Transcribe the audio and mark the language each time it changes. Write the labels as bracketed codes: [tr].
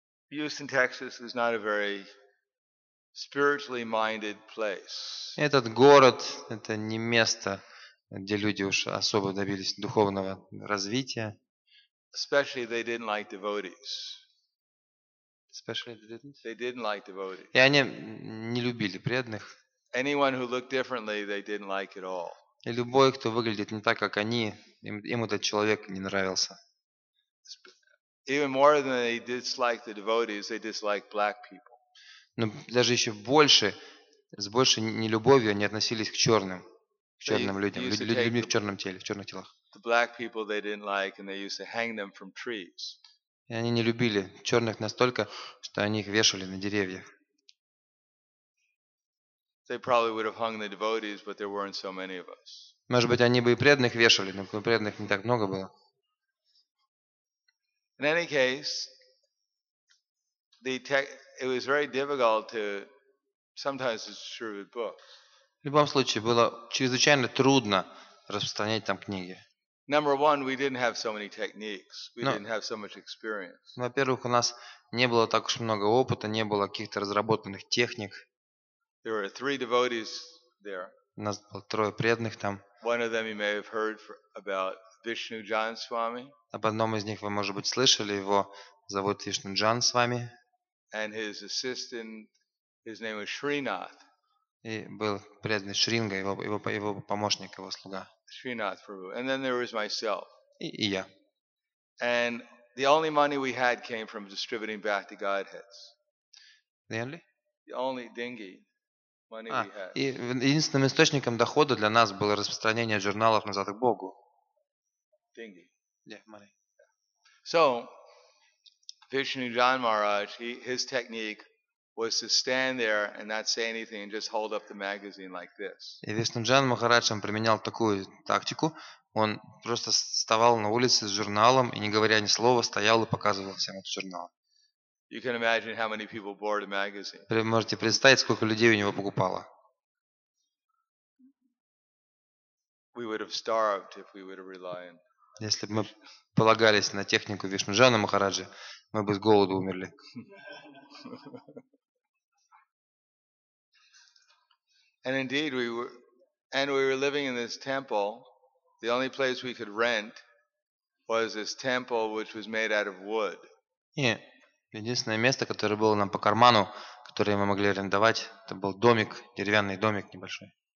[en] Houston, Texas is not a very spiritually minded place. [ru] Этот город это не место, где люди уж особо добились духовного развития. [en] Especially they didn't like devotees. Especially they didn't. They didn't like devotees. [ru] И они не любили преданных. [en] Anyone who looked differently, they didn't like at all. [ru] И любой, кто выглядит не так, как они, им этот человек не нравился. [en] Even more than they dislike the devotees, they dislike black people. [ru] Но даже еще больше, с большей нелюбовью они относились к черным, к черным людям, людьми в черном теле, в черных телах. [en] The black people they didn't like, and they used to hang them from trees. [ru] И они не любили черных настолько, что они их вешали на деревьях. [en] They probably would have hung the devotees, but there weren't so many of us. [ru] Может быть, они бы и преданных вешали, но преданных не так много было. [en] In any case, it was very difficult to sometimes distribute books. [ru] В любом случае, было чрезвычайно трудно распространять там книги. [en] Number one, we didn't have so many techniques. We didn't have so much experience. [ru] Во-первых, у нас не было так уж много опыта, не было каких-то разработанных техник. [en] There were three devotees there. [ru] У нас было трое преданных там. [en] One of them you may have heard about, Vishnu Jan Swami. [ru] Об одном из них вы, может быть, слышали, его зовут Вишну Джан Свами. [en] And his assistant, his name was Shrinath. [ru] И был преданный Шринга, его помощник, его слуга. [en] Shrinath Prabhu. And then there was myself. [ru] И я. [en] And the only money we had came from distributing back to Godheads. The only dinghy. [ru] И единственным источником дохода для нас было распространение журналов назад к Богу. Деньги. [en] Yeah, money. So, Vishnu Jan Maharaj, his technique was to stand there and not say anything and just hold up the magazine like this. [ru] И Вишну Джан Махарадж применял такую тактику. Он просто вставал на улице с журналом и, не говоря ни слова, стоял и показывал всем этот журнал. [en] You can imagine how many people bought a magazine. [ru] Вы можете представить, сколько людей у него покупало. [en] We would have starved if we would have relied on. [ru] Если бы мы полагались на технику Вишну Джана Махараджи, мы бы с голоду умерли. [en] And indeed we were living in this temple. The only place we could rent was this temple which was made out of wood. Yeah. [ru] Единственное место, которое было нам по карману, которое мы могли арендовать, это был домик, деревянный домик небольшой.